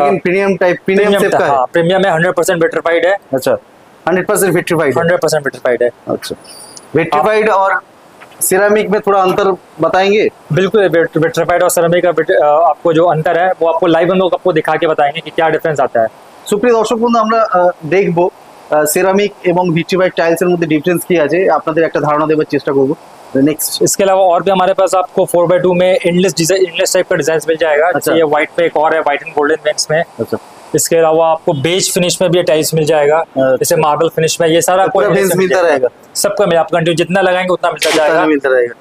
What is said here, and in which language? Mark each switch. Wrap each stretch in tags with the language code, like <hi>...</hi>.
<hi>लेकिन premium type, premium से का है। प्रीमियम है, 100% विट्रिफाइड है। अच्छा, 100% विट्रिफाइड, 100% विट्रिफाइड है। अच्छा, विट्रिफाइड और सिरामिक में थोड़ा अंतर बताएंगे? बिल्कुल, विट्रिफाइड और सिरामिक का आपको जो अंतर है वो आपको लाइव हम लोग आपको दिखा के बताएंगे कि क्या डिफरेंस आता है।</hi> <bn>সুপ্রিয় দর্শক বন্ধু, আমরা দেখবো সিরামিক এবং ভিট্রিফাইড টাইলস এর মধ্যে ডিফারেন্স কি আছে, আপনাদের একটা ধারণা দেওয়ার চেষ্টা করবো।</bn> <en>next,</en> <hi>इसके अलावा और भी हमारे पास आपको 4x2 में एंडलेस डिजाइन, एंडलेस टाइप का डिजाइन मिल जाएगा। अच्छा, ये व्हाइट पे एक और है, व्हाइट एंड गोल्डन वेंस में। अच्छा, इसके अलावा आपको बेज फिनिश में भी टाइल्स मिल जाएगा। अच्छा, जैसे मार्बल फिनिश में, ये सारा मिलता रहेगा, सबका मिल, आप कंटिन्यू जितना लगाएंगे उतना मिलता जाएगा, मिलता रहेगा।</hi>